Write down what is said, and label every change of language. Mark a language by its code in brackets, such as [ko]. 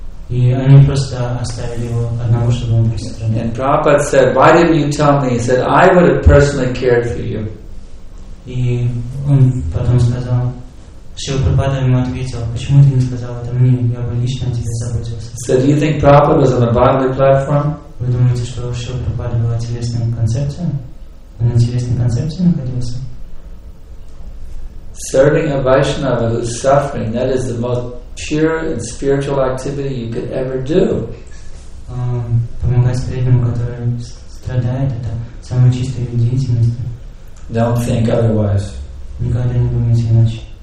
[en] And Prabhupada said, why didn't you tell me? He said, I would have personally cared for you. So do you think Prabhupada was on a bodily platform? [ru] Вы думаете, что Шрила Прабхупада была телесным концепцией? Он на телесной концепции находился? [en] Serving a Vaishnava who's suffering, that is the most pure and spiritual activity you could ever do. [ru] Помогать преданному, который страдает, это самая чистая деятельность. [en] Don't think otherwise. [ru] Никогда не думайте иначе.